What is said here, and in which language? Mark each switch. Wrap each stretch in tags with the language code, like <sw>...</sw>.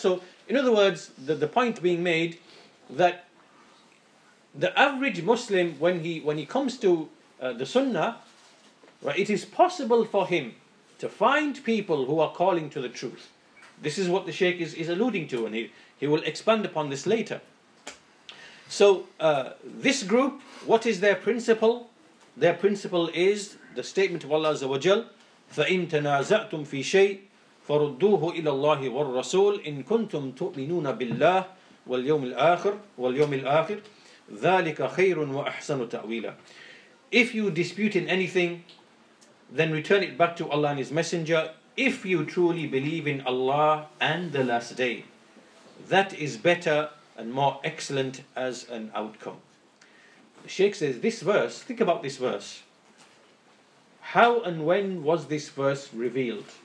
<en>So, in other words, the point being made that the average Muslim, when he comes to the Sunnah, right, it is possible for him to find people who are calling to the truth. This is what the Shaykh is alluding to, and he will expand upon this later. So, this group, what is their principle? Their principle is the statement of Allah Azza wa</en> <ar>Jal, فَإِن تَنَازَعْتُمْ فِي شَيْءٍ فَرُدُّوهُ إِلَى اللَّهِ وَالرَّسُولِ إِن كُنْتُمْ تُؤْمِنُونَ بِاللَّهِ وَالْيَوْمِ الْآخِرِ وَالْيَوْمِ الْآخِرِ ذَلِكَ خَيْرٌ وَأَحْسَنُ تَأْوِيلًا.</ar> <en>If you dispute in anything, then return it back to Allah and His Messenger. If you truly believe in Allah and the Last Day, that is better and more excellent as an outcome. The Shaykh says, this verse, think about this verse. How and when was this verse revealed?</en>